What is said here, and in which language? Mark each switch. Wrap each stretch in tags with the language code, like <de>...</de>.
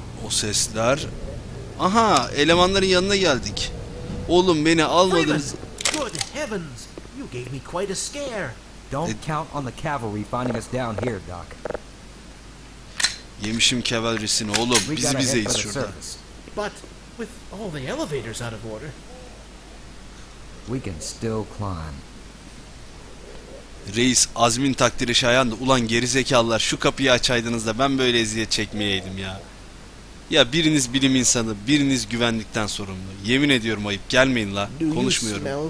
<tr>Sesler. Aha, elemanların yanına geldik. Oğlum beni almadınız.</tr> <en>Good heavens, you gave me quite a scare. Don't count on the cavalry finding us down here, Doc.</en> <tr>Yemişim kavalerisini oğlum. Biz bizeyiz şurada.</tr> <en>But with all the elevators out of order, we can still climb.</en> <tr>Reis Azmin takdiri şayan da, ulan gerizekalılar, şu kapıyı açaydınız da ben böyle eziyet çekmeyeydim ya. Ya biriniz bilim insanı, biriniz güvenlikten sorumlu. Yemin ediyorum ayıp, gelmeyin la. Konuşmuyorum.</tr>